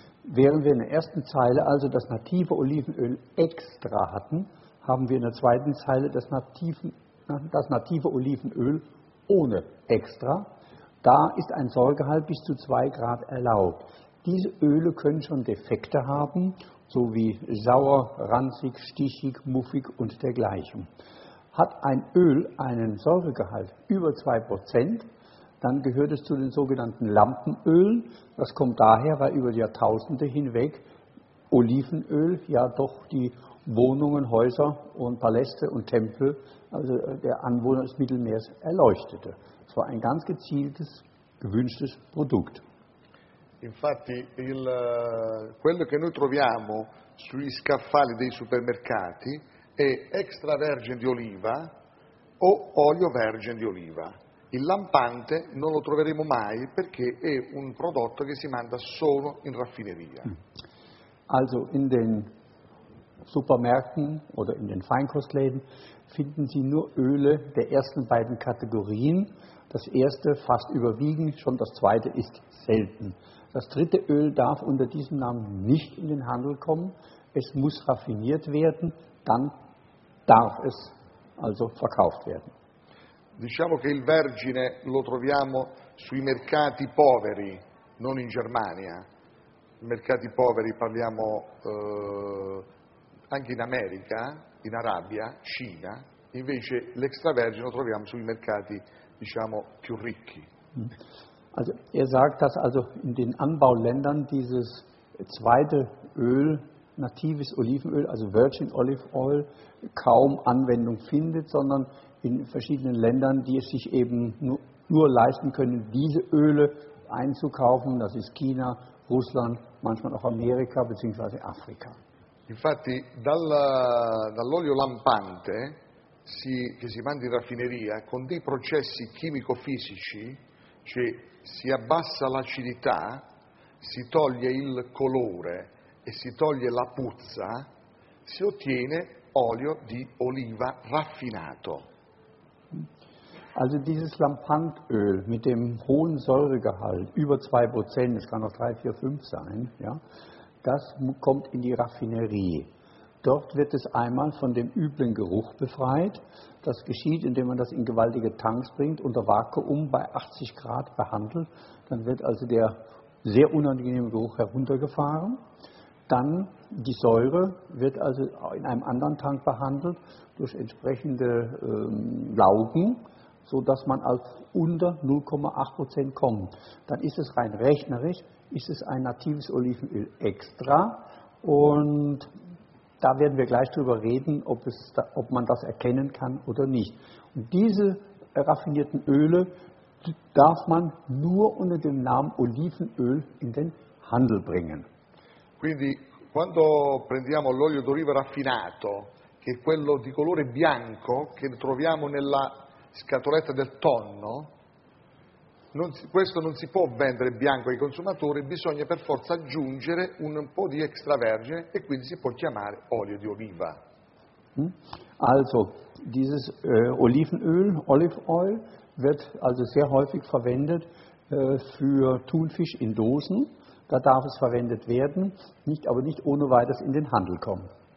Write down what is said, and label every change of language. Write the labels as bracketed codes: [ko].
[de] Während wir in der ersten Zeile also das native Olivenöl extra hatten, haben wir in der zweiten Zeile das native Olivenöl ohne extra. Da ist ein Säuregehalt bis zu 2 Grad erlaubt. Diese Öle können schon Defekte haben, so wie sauer, ranzig, stichig, muffig und dergleichen. Hat ein Öl einen Säuregehalt über 2%, dann gehört es zu den sogenannten Lampenölen. Das kommt daher, weil über die Jahrtausende hinweg Olivenöl ja doch die Wohnungen, Häuser und Paläste und Tempel, also der Anwohner des Mittelmeers, erleuchtete. Es war ein ganz gezieltes, gewünschtes Produkt. [it] Infatti, quello che noi troviamo sui scaffali dei supermercati è extra vergine di oliva o olio vergine di oliva. Il lampante non lo troveremo mai perché è un prodotto che si manda solo in raffineria. [de] Also in den Supermärkten oder in den Feinkostläden finden Sie nur Öle der ersten beiden Kategorien. Das erste fast überwiegend, schon das zweite ist selten. Das dritte Öl darf unter diesem Namen nicht in den Handel kommen. Es muss raffiniert werden, dann darf es also verkauft werden. [it] Diciamo che il vergine lo troviamo sui mercati poveri, non in Germania. Mercati poveri parliamo anche in America, in Arabia, Cina. Invece l'extravergine lo troviamo sui mercati, diciamo, più ricchi. [de] Also er sagt, dass also in den Anbauländern dieses zweite Öl, natives Olivenöl, also Virgin Olive Oil, kaum Anwendung findet, sondern in verschiedenen Ländern, die es sich eben nur leisten können, diese Öle einzukaufen, das ist China, Russland, manchmal auch Amerika bzw. Afrika. [it] Infatti, dall'olio lampante, che si manda in raffineria, con dei processi chimico-fisici, cioè si abbassa l'acidità, si toglie il colore e si toglie la puzza, si ottiene olio di oliva raffinato. [de] Also dieses Lampantöl mit dem hohen Säuregehalt, über 2%, es kann auch 3, 4, 5 sein, ja, das kommt in die Raffinerie. Dort wird es einmal von dem üblen Geruch befreit. Das geschieht, indem man das in gewaltige Tanks bringt, unter Vakuum bei 80 Grad behandelt. Dann wird also der sehr unangenehme Geruch heruntergefahren. Dann die Säure wird also in einem anderen Tank behandelt durch entsprechende Laugen, sodass man als unter 0,8% kommt. Dann ist es rein rechnerisch, ist es ein natives Olivenöl extra. Und da werden wir gleich drüber reden, ob man das erkennen kann oder nicht. Und diese raffinierten Öle darf man nur unter dem Namen Olivenöl in den Handel bringen. [it] Quindi, quando prendiamo l'olio d'oliva raffinato, che è quello di colore bianco, che troviamo nella scatoletta del tonno, questo non si può vendere bianco ai consumatori, bisogna per forza aggiungere un po' di extravergine e quindi si può chiamare olio di oliva. [de] Also, dieses Olivenöl, olive oil, wird also sehr häufig verwendet für Thunfisch in Dosen. Da darf es verwendet werden, aber nicht ohne weiteres in den Handel kommen.